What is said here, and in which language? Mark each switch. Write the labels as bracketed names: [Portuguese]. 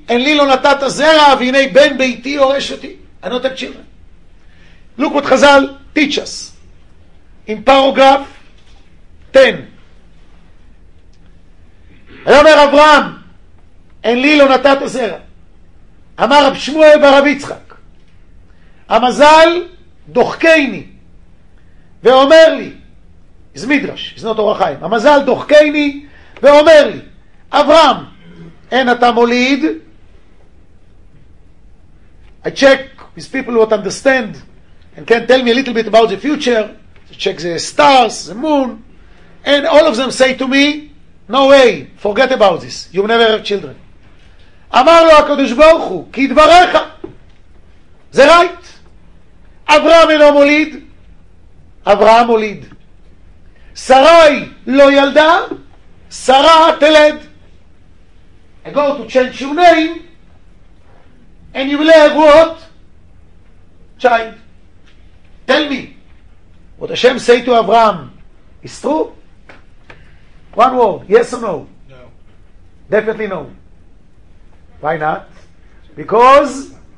[Hebrew] אין לי לא נתת זרע, והנה בן ביתי הורש אותי. אני לא תקשיב. [English] Look what חזל teach us. In paragraph 10. [Hebrew] היה אומר אברהם, אין לי לא נתת זרע. אמר רב שמואל ברב יצחק, המזל דוחקייני, ואומר לי, זה מדרש, זה לא תורה חיים, המזל דוחקייני, ואומר לי, אברהם, אין אתה מוליד, [English] I check with people who understand, and can tell me a little bit about the future, to check the stars, the moon, and all of them say to me, no way, forget about this, you never have children. [Hebrew] אמר לו הקדוש ברוך הוא, כי דבריך, זה רייט, אברהם אינו מוליד, אברהם מוליד, שרי לא ילדה, שרה תלד. [English] I go to change your name, and you will have what? Child. Tell me, what Hashem say to Abraham, is true? One word, yes or no? No. Definitely no. Why not? Because